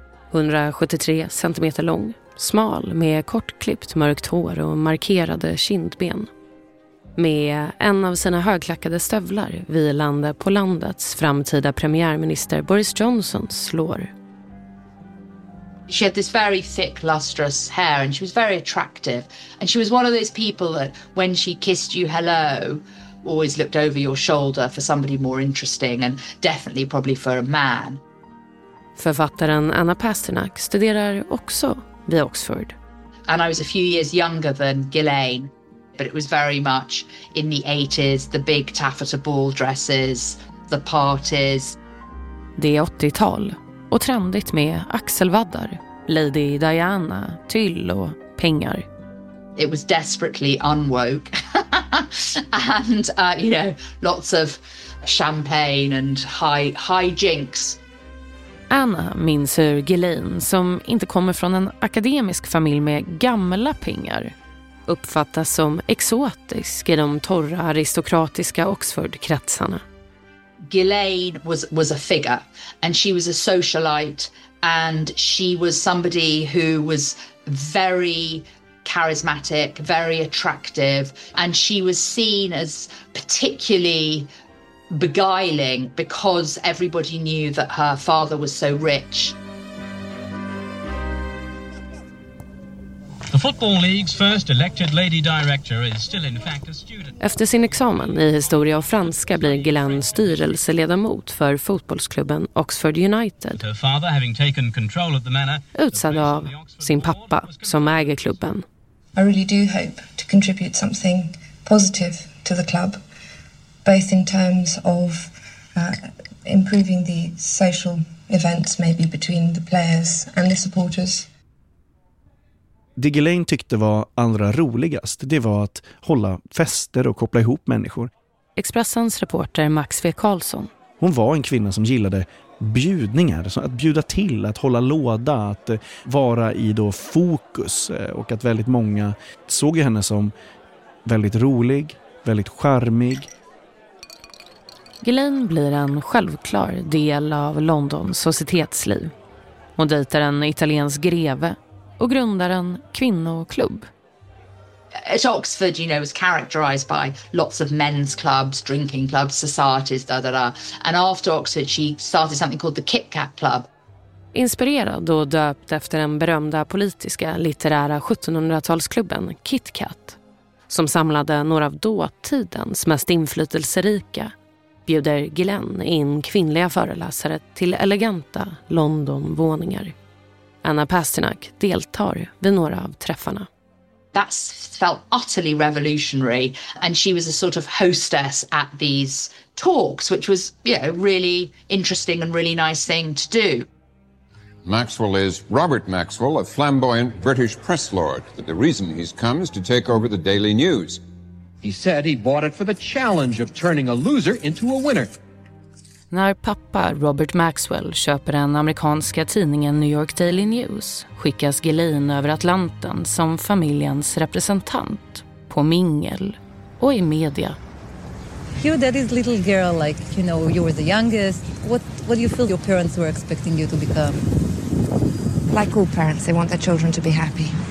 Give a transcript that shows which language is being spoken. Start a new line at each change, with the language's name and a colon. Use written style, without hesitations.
Swedish: 173 cm lång, smal med kortklippt mörkt hår och markerade kindben. Med en av sina högklackade stövlar vilande på landets framtida premiärminister Boris Johnsons lår.
English: She had this very thick, lustrous hair and she was very attractive. And she was one of those people that when she kissed you hello, always looked over your shoulder for somebody more interesting and definitely probably for a man.
Swedish: Författaren Anna Pasternak studerar också vid Oxford.
English: And I was a few years younger than Ghislaine. But it was very much in the 80s, the big taffeta ball dresses, the parties.
Swedish: Det är 80-tal och trendigt med axelvaddar, Lady Diana, tyll och pengar.
English: It was desperately unwoke and you know, lots of champagne and high jinks.
Swedish: Anna minns hur Ghislaine, som inte kommer från en akademisk familj med gamla pengar, uppfattas som exotisk i de torra aristokratiska Oxford-kretsarna.
English: Ghislaine was a figure and she was a socialite and she was somebody who was very charismatic, very attractive, and she was seen as particularly beguiling because everybody knew that her father was so rich. The Football League's first elected lady director is still in fact a student.
Swedish: Efter sin examen i historia och franska blir Ghislaine styrelseledamot för fotbollsklubben Oxford United.
English: Her father having taken control of the manor,
Swedish: utsedd av sin pappa som äger klubben.
English: I really do hope to contribute something positive to the club, both in terms of improving the social events maybe between the players and the supporters.
Swedish: Det Ghislaine tyckte var allra roligast, det var att hålla fester och koppla ihop människor. Expressens reporter Max V. Karlsson. Hon var en kvinna som gillade bjudningar, att bjuda till, att hålla låda, att vara i då fokus. Och att väldigt många såg henne som väldigt rolig, väldigt charmig. Ghislaine blir en självklar del av Londons societetsliv. Hon dejtar en italiensk greve och grundar en kvinnoklubb.
English: At Oxford, you know, was characterized by lots of men's clubs, drinking clubs, societies, da da da. And after Oxford she started something called the Kit Kat Club.
Swedish: Inspirerad och döpt efter den berömda politiska litterära 1700-talsklubben Kit Kat, som samlade några av dåtidens mest inflytelserika, bjuder Ghislaine in kvinnliga föreläsare till eleganta London-våningar. Anna Pasternak deltar vid några av träffarna.
English: That felt utterly revolutionary, and she was a sort of hostess at these talks, which was, you know, really interesting and really nice thing to do. Maxwell is Robert Maxwell, a flamboyant British press lord. But the reason he's come is to take over the Daily News. He said he bought it for the challenge of turning a loser into a winner.
Swedish: När pappa Robert Maxwell köper den amerikanska tidningen New York Daily News skickas Ghislaine över Atlanten som familjens representant på mingel och i media.
English: Your daddy's little girl, like, you know, you were the youngest. What do you feel your parents were expecting you to become? Like all parents, they want their children to be happy.